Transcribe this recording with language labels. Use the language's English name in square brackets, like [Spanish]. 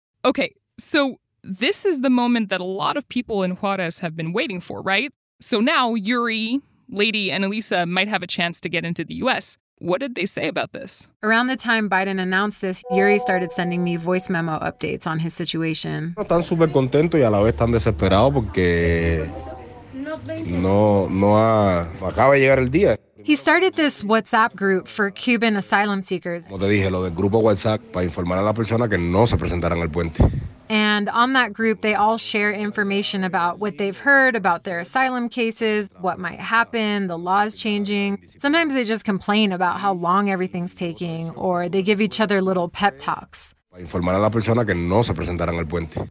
[English] Okay, so this is the moment that a lot of people in Juarez have been waiting for, right? So now, Yuri, Lady, and Elisa might have a chance to get into the U.S., What did they say about this? Around the time Biden announced this, Yuri started sending me voice memo updates on his situation. [Spanish] Están súper contentos y a la vez están desesperados porque no ha acaba de llegar el día. [English] He started this WhatsApp group for Cuban asylum seekers. [Spanish] Como te dije, lo del grupo WhatsApp para informar a las personas que no se presentarán al puente. [English] And on that group, they all share information about what they've heard about their asylum cases, what might happen, the laws changing. Sometimes they just complain about how long everything's taking, or they give each other little pep talks. [Spanish] Informar a la persona que no se presentarán al puente.